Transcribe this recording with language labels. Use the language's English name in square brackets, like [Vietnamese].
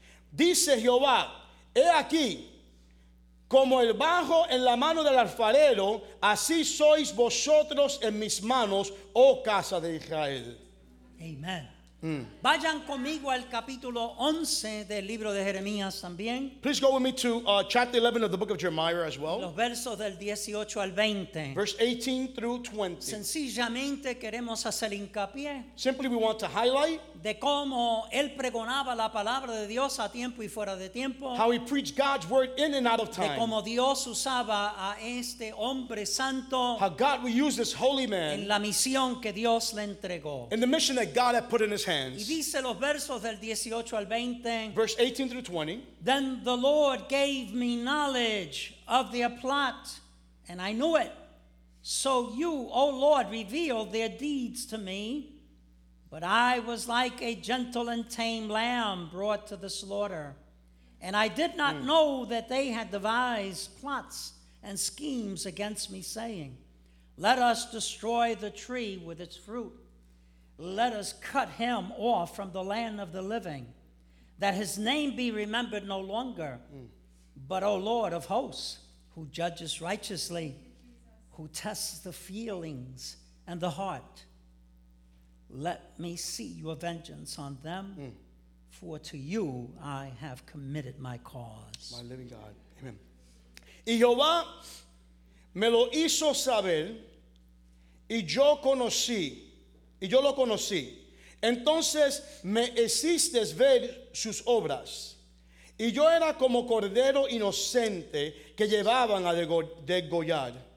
[Spanish] Dice Jehová, he aquí, como el barro en la mano del alfarero, así sois vosotros en mis manos, oh casa de Israel. Amen. Vayan conmigo al capítulo 11 del libro de Jeremías también. [English] Please go with me to chapter 11 of the book of Jeremiah as well. [Spanish] Los versos del 18 al 20. [English] Verse 18 through 20. [Spanish] Sencillamente queremos hacer hincapié. [English] Simply we want to highlight. [Spanish] De cómo él pregonaba la palabra de Dios a tiempo y fuera de tiempo. [English] How he preached God's word in and out of time. [Spanish] De cómo Dios usaba a este hombre santo. [English] How God would use this holy man. [Spanish] En la misión que Dios le entregó. [English] In the mission that God had put in his hands. [Spanish] Y dice los versos del 18 al 20. [English] Verse 18 through 20. Then the Lord gave me knowledge of their plot, and I knew it. So you, O Lord, revealed their deeds to me. But I was like a gentle and tame lamb brought to the slaughter. And I did not know that they had devised plots and schemes against me, saying, let us destroy the tree with its fruit. Let us cut him off from the land of the living, that his name be remembered no longer. But, O Lord of hosts, who judges righteously, who tests the feelings and the heart, let me see your vengeance on them, for to you I have committed my cause. My living God. Amen. [Spanish] Y Jehová me lo hizo saber, y yo conocí, y yo lo conocí. Entonces me hiciste ver sus obras. Y yo era como cordero inocente que llevaban a degollar.